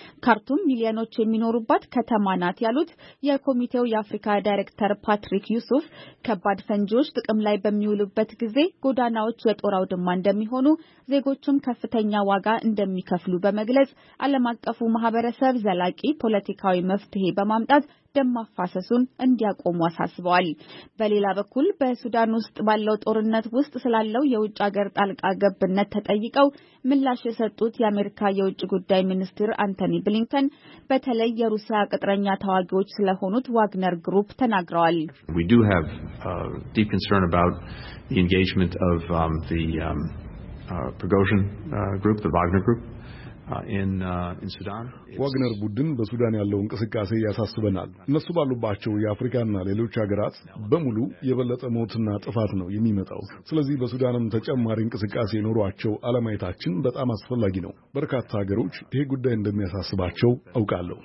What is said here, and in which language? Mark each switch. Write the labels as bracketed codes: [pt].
[am] ካርቱም ሚሊዮኖች የሚኖሩባት ከተማ ናት ያሉት የኮሚቴው የአፍሪካ ዳይሬክተር ፓትሪክ ዩሱፍ ከባድ ፈንጂዎች ጥቅም ላይ በሚውሉበት ጊዜ ጎዳናዎች የጦር ድማ እንደሚሆኑ ዜጎችም ከፍተኛ ዋጋ እንደሚከፍሉ በመግለጽ ዓለም አቀፉ ማህበረሰብ ዘላቂ ፖለቲካዊ መፍትሄ በማምጣት ደም ማፋሰሱን እንዲያቆሙ አሳስበዋል። በሌላ በኩል በሱዳን ውስጥ ባለው ጦርነት ውስጥ ስላለው የውጭ ሀገር ጣልቃ ገብነት ተጠይቀው ምላሽ የሰጡት የአሜሪካ የውጭ ጉዳይ ሚኒስትር አንቶኒ ብሊንከን በተለይ የሩሲያ ቅጥረኛ ተዋጊዎች ስለሆኑት ዋግነር ግሩፕ ተናግረዋል። [en] We do have deep concern about the engagement of Prigozhin group, the Wagner group. In Sudan [am] ዋግነር ቡድን በሱዳን ያለው እንቅስቃሴ ያሳስበናል። እነሱ ባሉባቸው የአፍሪካና ሌሎች ሀገራት በሙሉ የበለጠ ሞትና ጥፋት ነው የሚመጣው። ስለዚህ በሱዳንም ተጨማሪ እንቅስቃሴ ኖሯቸው አለማየታችን በጣም አስፈላጊ ነው። በርካታ ሀገሮች ይሄ ጉዳይ እንደሚያሳስባቸው አውቃለሁ።